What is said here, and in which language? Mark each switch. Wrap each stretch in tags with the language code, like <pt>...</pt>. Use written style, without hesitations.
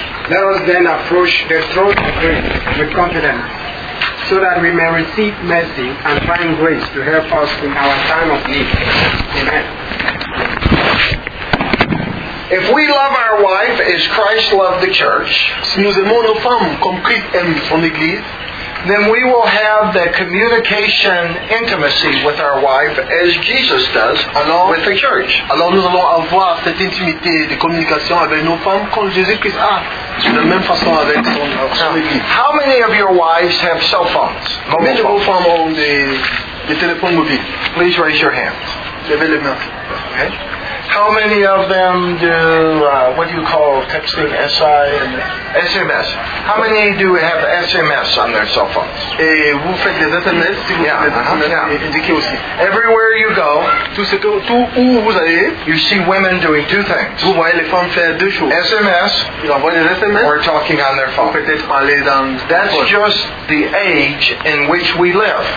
<en>Let us then approach the throne of grace with confidence, so that we may receive mercy and find grace to help us in our time of need. Amen. If we love our wife as Christ loved the church,</en> <fr>si nous aimons nos femmes comme Christ aime son église,</fr> <en>then we will have the communication intimacy with our wife as Jesus does</en> <fr>alors,</fr> <en>with the church.</en> <fr>Alors nous allons avoir cette intimité de communication avec nos femmes comme Jésus-Christ a de même façon avec son église.</fr> <en>How many of your wives have cell phones?</en> <fr>Combien de vos femmes ont des téléphones mobiles?</fr> <en>Please raise your hands.</en> <fr>Levez les mains.</fr> <en>Okay. How many of them do, what do you call texting, SMS. How many do have SMS on their cell phones?</en> <fr>Et vous faites des SMS, si vous faites des SMS, indiquez aussi.</fr> <en>Everywhere you go,</en> <fr>tout où vous allez,</fr> <en>you see women doing two things.</en> <fr>Vous voyez les femmes faire deux choses.</fr> <en>SMS,</en> <fr>ils envoient des SMS,</fr> <en>or talking on their phone.</en> <fr>Peut-être parler dans</fr> <en>That's phone. Just the age in which we live.</en>